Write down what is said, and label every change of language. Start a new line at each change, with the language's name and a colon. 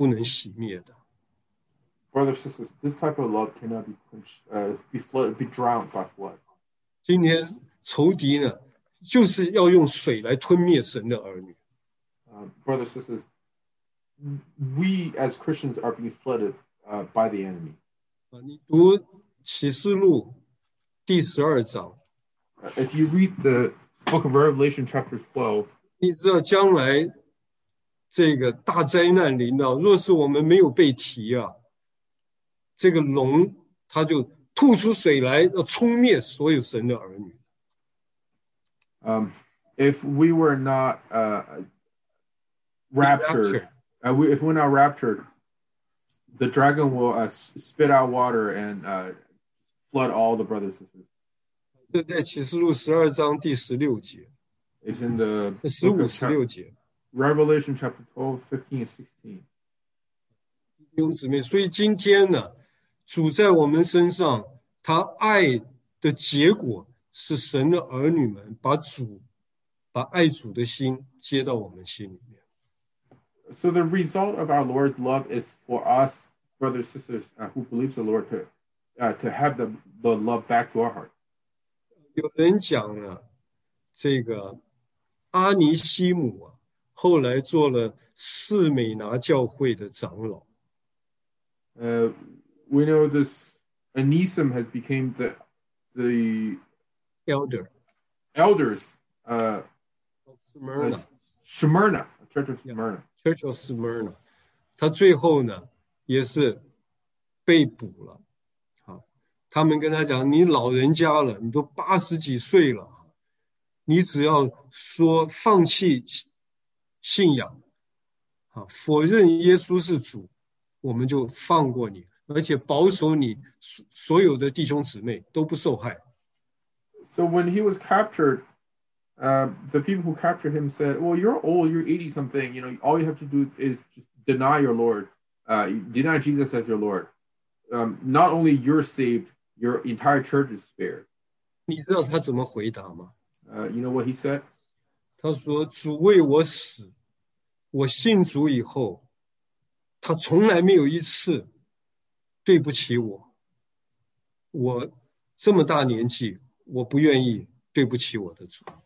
Chinese: 妹，这个是大水不能熄灭的。
English: Brother, sisters, this type of love cannot be quenched, be flooded, be drowned by flood.
Chinese: 今天仇敌呢，就是要用水来吞灭神的儿女。
English: Brother, sisters. We as Christians are being flooded by the enemy.
Chinese: 你读启示录第十二章,
English: if you read the book of Revelation chapter 12,
Chinese: 你知道将来这个大灾难临到，若是我们没有被提啊, 这个龙它就吐出水来要冲灭所有神的儿女。
English: If we were not raptured, if we're not raptured, the dragon will spit out water and flood all the brothers and sisters.
Chinese: 这在启示录十二章第十六节。
English: It's in the
Chinese: 十五十六节。
English: Revelation chapter 12:15-16.
Chinese: 弟兄姊妹，所以今天呢，主在我们身上，他爱的结果是神的儿女们把主，把爱主的心接到我们心里。
English: So the result of our Lord's love is for us brothers, sisters who believe the Lord to have the love back to our heart.
Chinese: 有人讲啊，这个阿尼西姆啊，后来做了士美拿教会的长老。
English: We know this Anisim has become the elder. Elders, of Smyrna. Smyrna, Church of Smyrna. Yeah, Church of Smyrna.
Chinese: 他最后呢，也是被捕了。他们跟他讲，你老人家了，你都八十几岁了，你只要说放弃信仰，啊，否认耶稣是主，我们就放过你，而且保守你所有的弟兄姊妹都不受害。
English: So when he was captured, the people who captured him said, well, you're old, you're 80 something, you know, all you have to do is just deny your Lord, deny Jesus as your Lord. Not only you're saved,Your entire church is spared.
Chinese: 你知道他怎么回答吗？
English: You know what he said?
Chinese: 他说，主为我死，我信主以后，他从来没有一次对不起我。我这么大年纪，我不愿意对不起我的主。